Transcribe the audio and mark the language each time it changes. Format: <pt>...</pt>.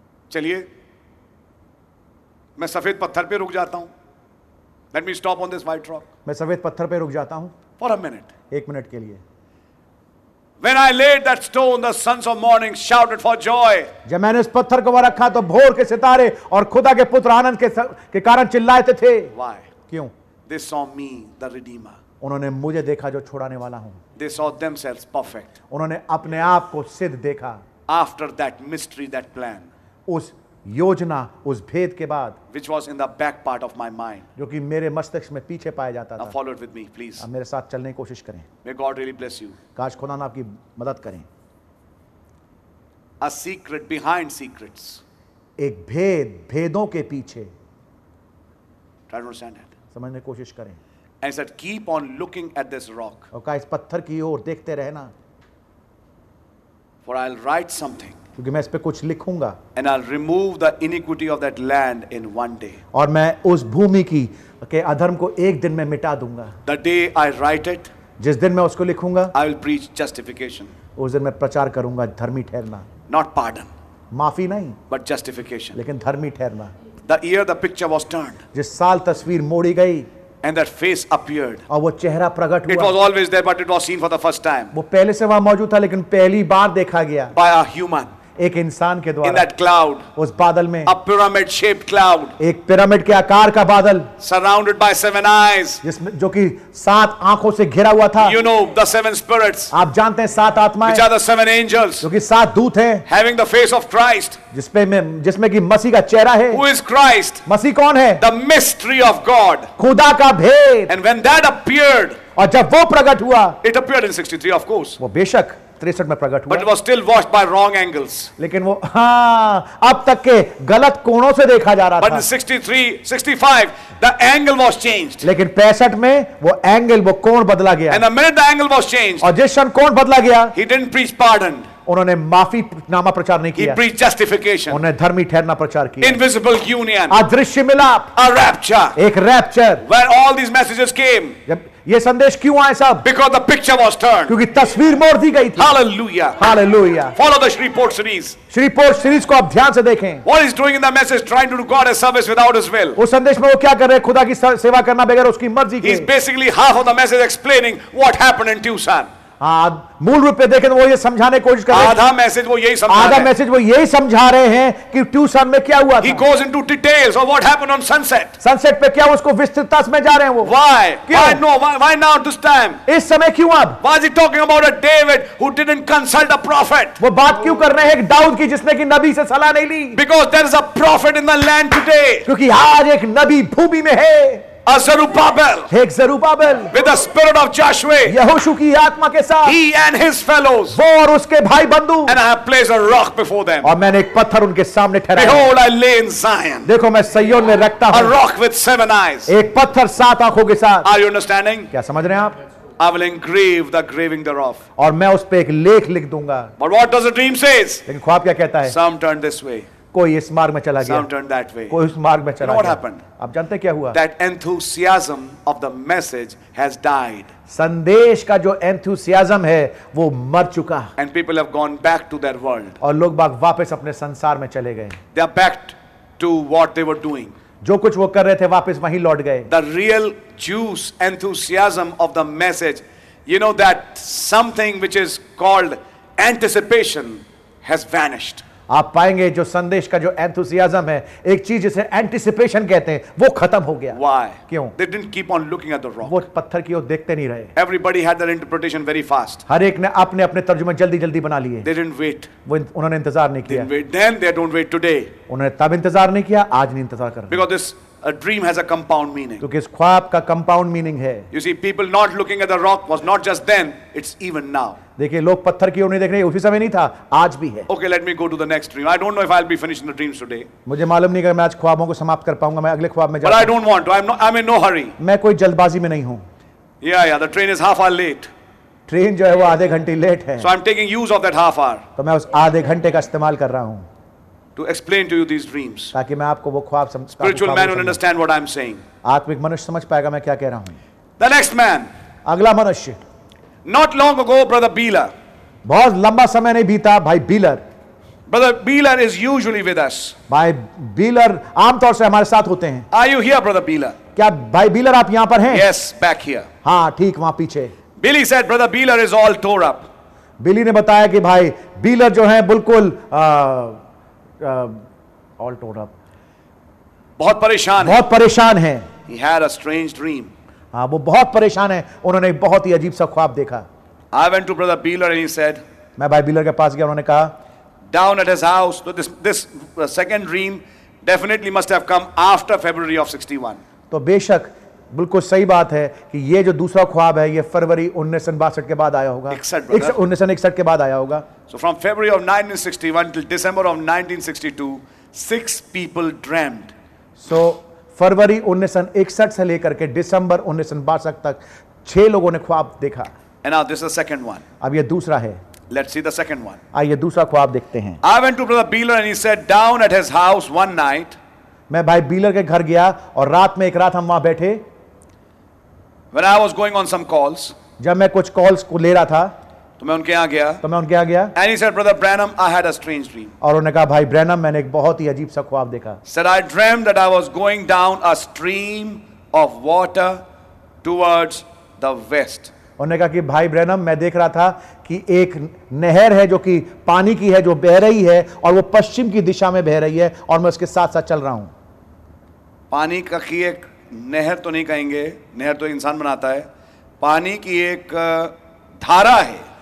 <hi>चलिए मैं सफेद पत्थर पे रुक जाता हूं.</hi> <en>Let me stop on this white rock.</en> <hi>मैं सफेद पत्थर पे रुक जाता हूं</hi> <en>For a minute.</en> <hi>एक मिनट के लिए.</hi> <en>When I laid that stone, the sons of morning shouted for joy.</en> <hi>जब मैंने उस पत्थर को रखा तो भोर के सितारे और खुदा के पुत्र आनंद के कारण चिल्लाए थे.</hi> <en>Why?</en> <hi>क्यों?</hi> <en>They saw me, the Redeemer.</en> <hi>उन्होंने मुझे देखा जो छुड़ाने वाला हूँ.</hi> <en>They saw themselves perfect.</en> <hi>उन्होंने अपने आप को सिद्ध देखा.</hi> <en>After that mystery, that plan.</en> <hi>उस योजना उस भेद के बाद.</hi> <en>Which was in the back part of my mind.</en> <hi>जो कि मेरे मस्तिष्क में पीछे पाया जाता था.</hi> <en>Now follow it with me, please.</en> <hi>अब मेरे साथ चलने की कोशिश करें.</hi> <en>May God really bless you.</en> <hi>काश खुदा ने आपकी मदद करें.</hi> <en>A secret behind secrets.</en> <hi>एक भेद भेदों के पीछे.</hi> <en>Try to understand it.</en> <hi>समझने की कोशिश करें.</hi> <en>And said, keep on looking at this rock.</en> <hi>और कहा इस पत्थर की ओर देखते रहना.</hi> <en>For I'll write something.</en> <hi>क्योंकि मैं इस पे कुछ लिखूंगा</hi> <en>and I will remove the iniquity of that land in one day</en> <hi>और मैं उस भूमि की के अधर्म को एक दिन में मिटा दूंगा</hi> <en>the day I write it</en> <hi>जिस दिन मैं उसको लिखूंगा</hi> <en>I will preach justification</en> <hi>उस दिन मैं प्रचार करूंगा धर्मी ठहरना</hi> <en>not pardon</en> <hi>माफी नहीं</hi> <en>but justification</en> <hi>लेकिन धर्मी ठहरना</hi> <en>the year the picture was turned</en> <hi>जिस साल तस्वीर मोड़ी गई</hi> <en>And that face appeared.</en> <hi>और वो चेहरा प्रकट हुआ.</hi> <en>It was always there, but it was seen for the first time.</en> <hi>वो पहले से वहाँ मौजूद था, लेकिन पहली बार देखा गया.</hi> <en>By a human.</en> <hi>एक इंसान के द्वारा.</hi> <en>In that cloud.</en> <hi>उस बादल में.</hi> <en>A pyramid-shaped cloud.</en> <hi>एक पिरामिड के आकार का बादल.</hi> <en>Surrounded by seven eyes.</en> <hi>जिसमें जो कि सात आँखों से घिरा हुआ था.</hi> <en>You know the seven spirits.</en> <hi>आप जानते हैं सात आत्माएं.</hi> <en>Which are the seven angels.</en> <hi>जो कि सात दूत हैं.</hi> <en>Having the face of Christ.</en> <hi>जिसमें कि मसीह का चेहरा है</hi> <en>Who is Christ?</en> <hi>मसीह कौन है?</hi> <en>The mystery of God.</en> <hi>खुदा का भेद.</hi> <en>And when that appeared,</en> <hi>और जब वो प्रकट हुआ,</hi> <en>it appeared in 63, of course.</en> <hi>वो बेशक 63 में प्रकट हुआ.</hi> <en>But it was still watched by wrong angles.</en> <hi>लेकिन वो हाँ अब तक के गलत कोणों से देखा जा रहा</hi> <en>But</en> <hi>था.</hi> <en>But in 63, 65, the angle was changed.</en> <hi>लेकिन 65 में वो एंगल वो कोण बदला गया.</hi> <en>And the minute the angle was changed,</en> <hi>और जिस क्षण कोण बदला गया,</hi> <en>he didn't preach pardon.</en> <hi>उन्होंने माफी नामा प्रचार नहीं किया</hi> <en>He preached justification.</en> <hi>उन्हें धर्मी ठहरना प्रचार किया</hi> <en>Invisible union.</en> <hi>अदृश्य मिलाप</hi> <en>A rapture.</en> <hi>एक rapture</hi> <en>Where all these messages came.</en> <hi>जब ये संदेश क्यों आए साहब</hi> <en>Because the picture was turned.</en> <hi>क्योंकि तस्वीर मोड़ दी गई थी Hallelujah. Hallelujah.</hi> <en>Follow the Shreveport series.</en> <hi>Shreveport series को आप ध्यान से देखें</hi> <en>What is doing in the message trying to do God a service without his will.</en> <hi>उस संदेश में वो क्या कर रहे हैं खुदा की सेवा करना बगैर उसकी मर्जी के</hi> <en>He's basically half of the message explaining what happened in Tucson.</en> <hi>मूल रूप से देखें वो ये समझाने की कोशिश कर रहे हैं आधा मैसेज वो यही समझा रहे हैं कि ट्यूशन में क्या हुआ था</hi> <en>He goes into details of what happened on sunset.</en> <hi>Sunset पे क्या उसको विस्तृतता में जा रहे हैं वो</hi> <en>why now this time</en> <hi>इस समय क्यों आप</hi> <en>why is he talking about a David who didn't consult a prophet</en> <hi>वो बात क्यों कर रहे हैं एक दाऊद की जिसने की नबी से सलाह नहीं ली</hi> <en>because there is a prophet in the land today</en> <hi>क्योंकि आज एक नबी भूमि में है</hi> <en>A Zerubbabel,</en> <hi>एक Zerubbabel,</hi> <en>with the spirit of Joshua,</en> <hi>यहोशु की आत्मा के साथ,</hi> <en>he and his fellows,</en> <hi>वो और उसके भाई बंधु,</hi> <en>and I have placed a rock before them,</en> <hi>और मैंने एक पत्थर उनके सामने ठहराया,</hi> <en>behold I lay in Zion,</en> <hi>देखो मैं सिय्योन में रखता हूँ,</hi> <en>a rock with seven eyes,</en> <hi>एक पत्थर सात आंखों के साथ,</hi> <en>are you understanding?</en> <hi>क्या समझ रहे हैं आप?</hi> <en>I will engrave the graving thereof,</en> <hi>और मैं उस पे एक लेख लिख दूंगा,</hi> <en>but what does the dream says?</en> <hi>लेकिन ख्वाब क्या कहता है?</hi> <en>Some turned this way.</en> <hi>कोई इस मार्ग में चला गया</hi> <en>turned that way.</en> <hi>कोई उस मार्ग में चला</hi> <en>you know what happened?</en> <hi>गया आप जानते क्या हुआ</hi> <en>that enthusiasm of the message has died.</en> <hi>संदेश का जो enthusiasm है वो मर चुका</hi> <en>and people have gone back to their world.</en> <hi>और लोग बाग वापस अपने संसार में चले गए</hi> <en>they are back to what they were doing.</en> <hi>जो कुछ वो कर रहे थे वापस वहीं लौट गए</hi> <en>the real juice enthusiasm of the message you know that something which is called anticipation has vanished</en> <hi>आप पाएंगे जो संदेश का जो एंथुसियाज्म है एक चीज जिसे एंटिसिपेशन कहते हैं वो खत्म हो गया</hi> <en>Why?</en> <hi>क्यों</hi> <en>They didn't keep on looking at the rock.</en> <hi>वो पत्थर की ओर देखते नहीं रहे</hi> <en>Everybody had their interpretation very fast.</en> <hi>हर एक ने अपने अपने तर्जुमे जल्दी जल्दी बना लिए</hi> <en>They didn't wait. वो उन्होंने इंतजार नहीं किया They didn't wait. Then they don't wait today.</en> <hi>उन्होंने तब इंतजार नहीं किया आज नहीं इंतजार कर रहे</hi> <en>Because this A dream has a compound meaning.</en> <hi>क्योंकि इस ख्वाब का</hi> <en>compound meaning</en> <hi>है.</hi> <en>You see, people not looking at the rock was not just then; it's even now.</en> <hi>देखिए लोग पत्थर की ओर नहीं देख रहे उसी समय नहीं था आज भी है.</hi> <en>Okay, let me go to the next dream. I don't know if I'll be finishing the dreams today.</en> <hi>मुझे मालूम नहीं कि मैं आज ख्वाबों को समाप्त कर पाऊंगा मैं अगले ख्वाब में</hi> <en>जाऊं. But I don't want to. I'm in no hurry.</en> <hi>मैं कोई जल्दबाजी में नहीं हूँ.</hi> <en>Yeah, the train is half hour late.</en> <hi>Train जो है वो आधे घंटे लेट है.</hi> <en>So I'm taking use of that half hour.</en> <hi>तो मैं उस आधे घंटे का इस्तेमाल कर रहा हूँ.</hi> <en>To explain to you these dreams.</en> <hi>ताकि मैं आपको वो ख्वाब समझ</hi> <en>Spiritual man will understand what I'm saying.</en> <hi>आत्मिक मनुष्य समझ पाएगा मैं क्या कह रहा हूँ.</hi> <en>The next man.</en> <hi>अगला मनुष्य.</hi> <en>Not long ago, brother Beeler.</en> <hi>बहुत लंबा समय नहीं बीता भाई Beeler.</hi> <en>Brother Beeler is usually with us.</en> <hi>भाई Beeler आमतौर से हमारे साथ होते हैं.</hi> <en>Are you here, brother Beeler?</en> <hi>क्या भाई Beeler आप यहाँ पर हैं?</hi> <en>Yes, back here.</en> <hi>हाँ, ठीक वहाँ पीछे.</hi> <en>Billy said, brother Beeler is all tore up.</en> <hi>Billy ने बताया कि भाई Beeler जो हैं बिल्कुल</hi> <en>all torn up.</en> <hi>बहुत परेशान है. बहुत परेशान है.</hi> <en>He had a strange dream.</en> <hi>हाँ, वो बहुत परेशान है. उन्होंने बहुत ही अजीब सा ख्वाब देखा.</hi> <en>I went to brother Beeler and he said.</en> <hi>मैं भाई Beeler के पास गया. उन्होंने कहा.</hi> <en>Down at his house. So this second dream definitely must have come after February of 61.</en> <hi>तो बेशक बिल्कुल सही बात है कि ये जो दूसरा ख्वाब है ये फरवरी 1962 के बाद आया होगा 1961 के बाद आया होगा</hi> <en>so from February of 1961 till December of 1962 six people dreamed</en> <hi>सो फरवरी 1961 से लेकर के दिसंबर 1962 तक छह लोगों ने ख्वाब देखा</hi> <en>and now this is the second one</en> <hi>अब ये दूसरा है</hi> <en>Let's see the second one.</en> <hi>आइए दूसरा ख्वाब देखते हैं.</hi> <en>I went to brother Beeler and he sat down at his house one night.</en> <hi>मैं भाई बीलर के घर गया और रात में एक रात हम वहां बैठे.</hi> <en>When I was going on some calls.</en> <hi>जब मैं कुछ कॉल्स को ले रहा था. तो मैं उनके यहाँ गया. तो मैं उनके यहाँ गया.</hi> <en>And he said, brother Branham, I had a strange dream.</en> <hi>और उन्होंने कहा भाई ब्रैनम मैंने एक बहुत ही अजीब सा ख्वाब देखा.</hi> <en>Said I dreamt that I was going down a stream of water towards the west.</en> <hi>उन्होंने कहा कि भाई ब्रैनम मैं देख रहा था कि एक नहर है जो कि पानी की है जो बह रही है और वो पश्चिम की दिशा में बह रही है और मैं उसके साथ साथ चल रहा हूं. पानी का की एक नहर तो नहीं कहेंगे, नहर तो इंसान बनाता है, पानी की एक धारा है.</hi>